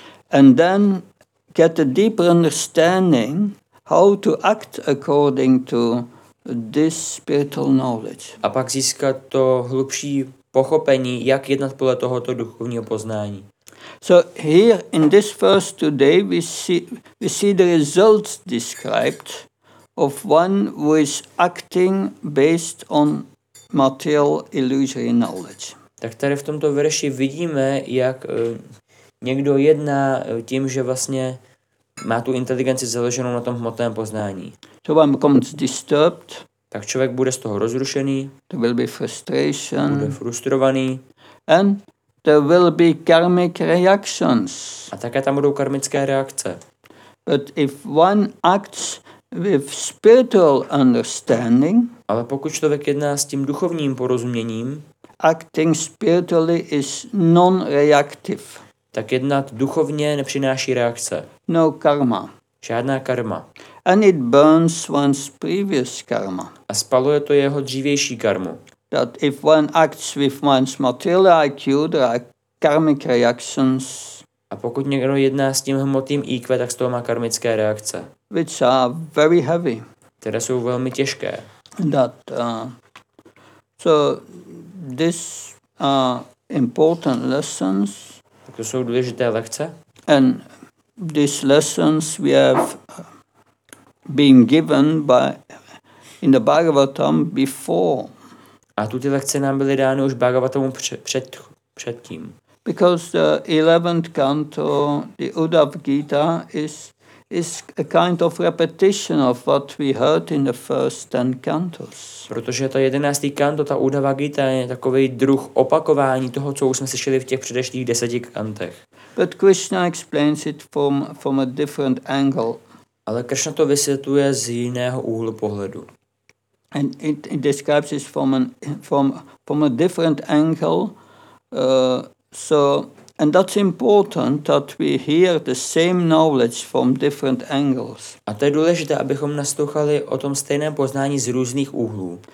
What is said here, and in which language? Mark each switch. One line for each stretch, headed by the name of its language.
English: And then get a deeper understanding how to act according to this spiritual knowledge.
Czech: A pak získat to hlubší pochopení, jak jednat podle tohoto duchovního poznání.
English: So here in this verse today we see the results described of one who is acting based on material illusory knowledge.
Czech: Tak tady v tomto verši vidíme, jak někdo jedná tím, že vlastně má tu inteligenci založenou na tom hmotném poznání.
English: To one becomes disturbed.
Czech: Tak člověk bude z toho rozrušený.
English: To will be frustration.
Czech: Bude frustrovaný.
English: And there will be karmic reactions.
Czech: A také tam budou karmické reakce.
English: But if one acts with spiritual understanding,
Czech: ale pokud člověk jedná s tím duchovním porozuměním,
English: acting spiritually is non-reactive.
Czech: Tak jednat duchovně nepřináší reakce.
English: No karma.
Czech: Žádná karma.
English: And it burns one's previous karma.
Czech: A spaluje to jeho dřívější karmu.
English: That if one acts with one's material IQ, there are karmic reactions.
Czech: A pokud někdo jedná s tím hmotným IQ, tak z toho má karmické reakce.
English: Which are very heavy.
Czech: Které jsou velmi těžké.
English: That, so this important lessons.
Czech: Tak to jsou důležité lekce.
English: And these lessons we have been given by in the Bhagavatam before.
Czech: A tuto lekce nám byly dány už Bhagavatamu předtím.
English: Because the 11th canto, the Uddhava Gita, is a kind of repetition of what we heard in the first 10 cantos.
Czech: Protože ta 11. kanto, ta Uddhava Gita, je takový druh opakování toho, co už jsme slyšeli v těch předešlých 10 kantech.
English: But Krishna explains it from a different angle.
Czech: Ale Krishna to vysvětluje z jiného úhlu pohledu.
English: And it describes it from a different angle. So and that's important that we hear the same knowledge from different angles.
Czech: A to je důležité, abychom naslouchali o tom stejném poznání z různých úhlů.